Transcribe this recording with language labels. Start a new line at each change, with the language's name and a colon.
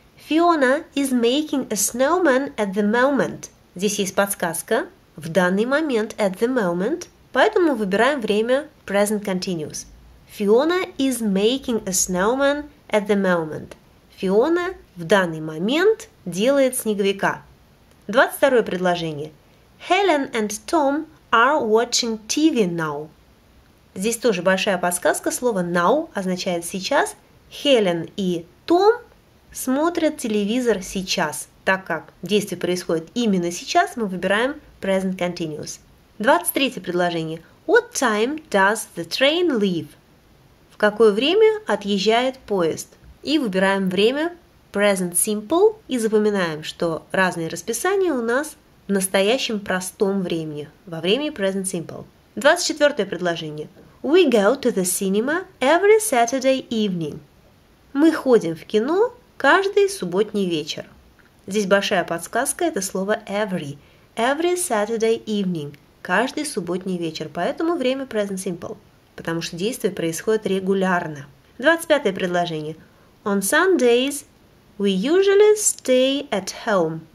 English: Fiona is making a snowman at the moment.
Russian: Здесь есть подсказка. В данный момент,
English: at the moment,
Russian: поэтому выбираем время present continuous.
English: Fiona is making a snowman at the moment.
Russian: Fiona в данный момент делает снеговика. 22-е предложение.
English: Helen and Tom are watching TV now.
Russian: Здесь тоже большая подсказка. Слово now означает сейчас. Helen и Tom смотрят телевизор сейчас. Так как действие происходит именно сейчас, мы выбираем present continuous. 23-е предложение.
English: What time does the train leave?
Russian: В какое время отъезжает поезд? И выбираем время present simple и запоминаем, что разные расписания у нас в настоящем простом времени, во времени present simple. 24-е предложение.
English: We go to the cinema every Saturday evening.
Russian: Мы ходим в кино каждый субботний вечер. Здесь большая подсказка – это слово every.
English: Every Saturday evening
Russian: – каждый субботний вечер, поэтому время present simple, потому что действие происходит регулярно. 25-е предложение.
English: On Sundays we usually stay at home.